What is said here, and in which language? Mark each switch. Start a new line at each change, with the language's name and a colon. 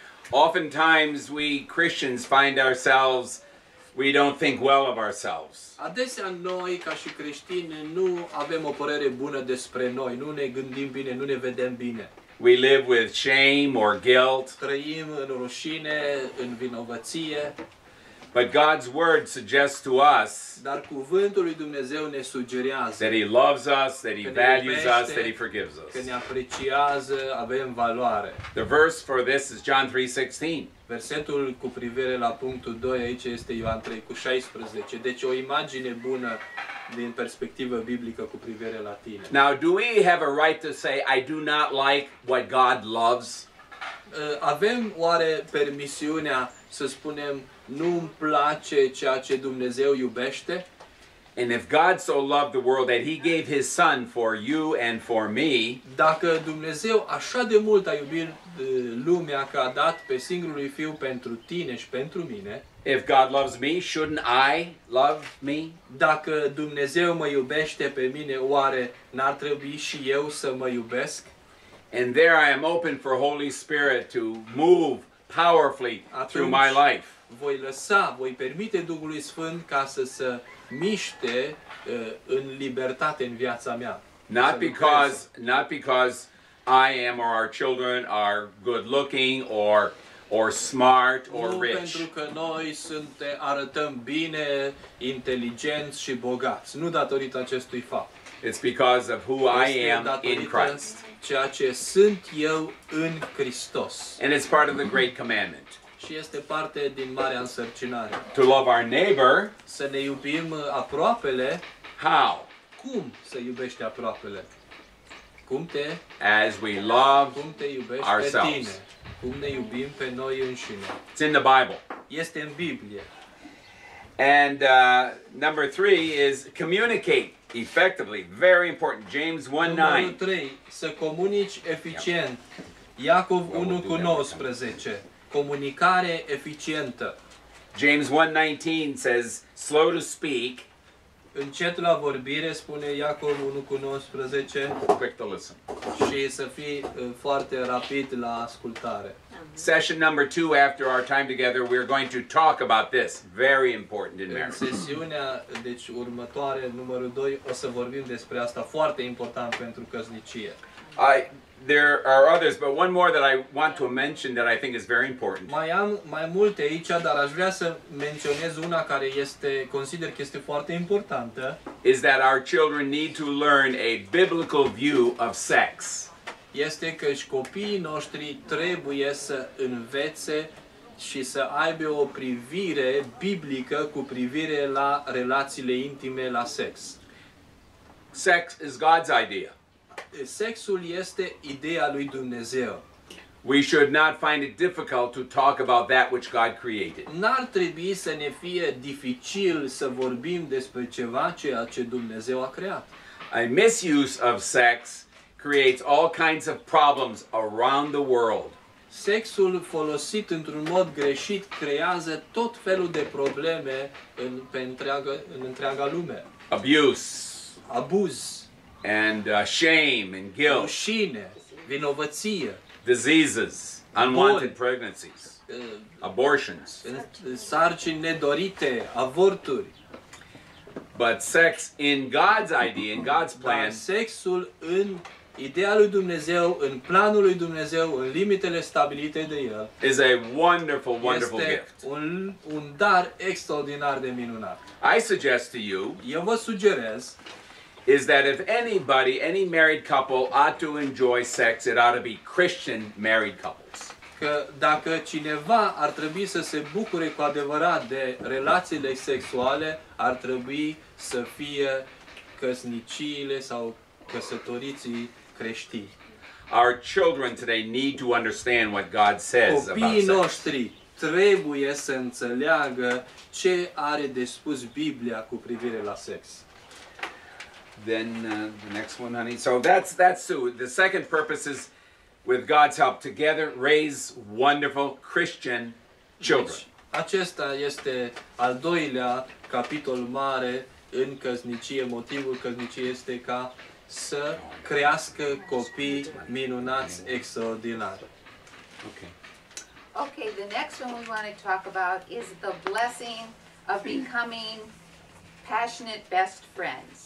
English: Oftentimes we Christians find ourselves, we don't think well of ourselves.
Romanian: Adesea noi ca și creștini nu avem o părere bună despre noi, nu ne gândim bine, nu ne vedem bine.
English: We live with shame or guilt.
Romanian: Trăim în rușine, în vinovăție.
English: But God's word suggests to us,
Romanian: dar cuvântul lui Dumnezeu ne sugerează,
English: that He loves us, that He values us, that He forgives us.
Romanian: Că ne apreciază, avem valoare.
English: The verse for this is John 3:16.
Romanian: Versetul cu privire la punctul 2 aici este Ioan 3:16. Deci o imagine bună din perspectivă biblică cu privire la tine.
English: Now, do we have a right to say I do not like what God loves?
Romanian: Avem oare permisiunea să spunem nu-mi place ceea ce Dumnezeu iubește?
English: And if God so loved the world that he gave his son for you and for me,
Romanian: dacă Dumnezeu așa de mult a iubit lumea că a dat pe singurul lui fiu pentru tine și pentru mine,
English: if God loves me, shouldn't I love me?
Romanian: Dacă Dumnezeu mă iubește pe mine, oare n-ar trebui și eu să mă iubesc?
English: And there I am open for Holy Spirit to move powerfully
Romanian: atunci
English: through my life.
Romanian: Voi lăsa, voi permite Duhului Sfânt ca să se miște în libertate în viața mea.
English: Not because I am or our children are good looking or smart or rich.
Romanian: Nu pentru că noi arătăm bine, inteligenți și bogați. Nu datorită acestui fapt.
English: It's because of who I am in Christ.
Romanian: Ceea ce sunt eu în Hristos.
English: And it's part of the great commandment.
Romanian: Și este parte din marea însărcinare.
English: To love our neighbor.
Romanian: Să ne iubim aproapele.
English: How?
Romanian: Cum să iubești aproapele? Cum te?
English: As we love
Romanian: cum te iubești
English: ourselves.
Romanian: Pe tine? Cum ne iubim pe noi înșine?
English: It's in the Bible.
Romanian: Este în Biblie.
English: And number three is communicate effectively. Very important. James 1:9.
Romanian: Numărul 3, să comunici eficient. Iacov 1:19. Comunicare eficientă.
English: James 1:19 says slow to speak.
Romanian: Încet la vorbire, spune Iacov 1:19.
English: Quick to listen.
Romanian: Și să fii foarte rapid la ascultare.
English: Session number 2 after our time together, we're going to talk about this. Very important in marriage.
Romanian: Sesiunea deci următoare, numărul 2, o să vorbim despre asta, foarte important pentru căsnicie.
English: There are others, but one more that I want to mention that I think is very important.
Romanian: Mai am mai multe aici, dar aș vrea să menționez una care este consider că este foarte importantă.
English: Is that our children need to learn a biblical view of sex.
Romanian: Este că și copiii noștri trebuie să învețe și să aibă o privire biblică cu privire la relațiile intime, la sex.
English: Sex is God's idea.
Romanian: Sexul este ideea lui Dumnezeu.
English: We should not find it difficult to talk about that which God created.
Romanian: N-ar trebui să ne fie dificil să vorbim despre ceva ceea ce Dumnezeu a creat.
English: A misuse of sex creates all kinds of problems around the world.
Romanian: Sexul folosit într-un mod greșit creează tot felul de probleme în întreaga lume.
English: Abuse.
Romanian: Abuz.
English: And shame and guilt.
Romanian: Rușine, vinovăție.
English: Diseases, unwanted pregnancies, abortions.
Romanian: Sarcini nedorite, avorturi.
English: But sex in God's idea, in God's plan.
Romanian: Dar sexul în ideea lui Dumnezeu, în planul lui Dumnezeu, în limitele stabilite de El.
English: Is a wonderful, wonderful
Romanian: este
English: gift.
Romanian: Un dar extraordinar de minunat.
English: I suggest to you.
Romanian: Eu vă sugerez.
English: Is that if anybody, any married couple, ought to enjoy sex, it ought to be Christian married couples.
Romanian: Că dacă cineva ar trebui să se bucure cu adevărat de relațiile sexuale, ar trebui să fie căsniciile sau căsătoriții creștini.
English: Our children today need to understand what God says about sex.
Romanian: Copiii noștri trebuie să înțeleagă ce are de spus Biblia cu privire la sex.
English: Then the next one, honey. So that's Sue. The second purpose is, with God's help, together raise wonderful Christian children.
Romanian: Deci, acesta este al doilea capitol mare în căsnicie. Motivul căsniciei este ca să crească copii minunați, extraordinari.
English: Okay. The next one we want to talk about is the blessing of becoming passionate best friends.